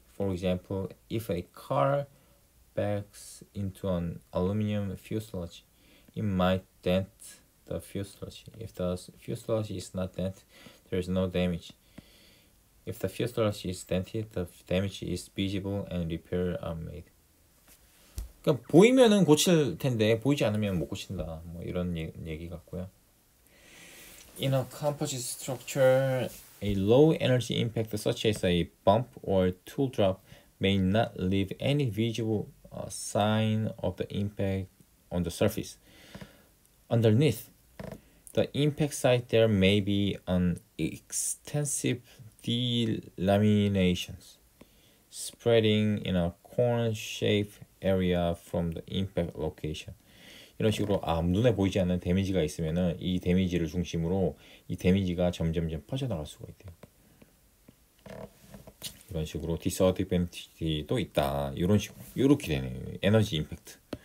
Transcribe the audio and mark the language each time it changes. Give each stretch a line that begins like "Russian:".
English: For example, if a car backs into an aluminum fuselage, it might dent the fuselage. If the fuselage is not dented, there is no damage. If the fuselage is dented, the damage is visible and repairs are made.
Korean: 그러니까 보이면은 고칠 텐데 보이지 않으면 못 고친다. 뭐 이런 얘기 같고요.
English: In a composite structure, a low energy impact such as a bump or tool drop may not leave any visible sign of the impact on the surface. Underneath the impact site, there may be an extensive delaminations spreading in a cone-shaped area from the impact location.
Korean: 이런 식으로 눈에 보이지 않는 데미지가 있으면은 이 데미지를 중심으로 이 데미지가 점점점 퍼져나갈 수가 있대요. 이런 식으로 디스어드밴티지도 있다. 이런 식으로 이렇게 되네요. 에너지 임팩트.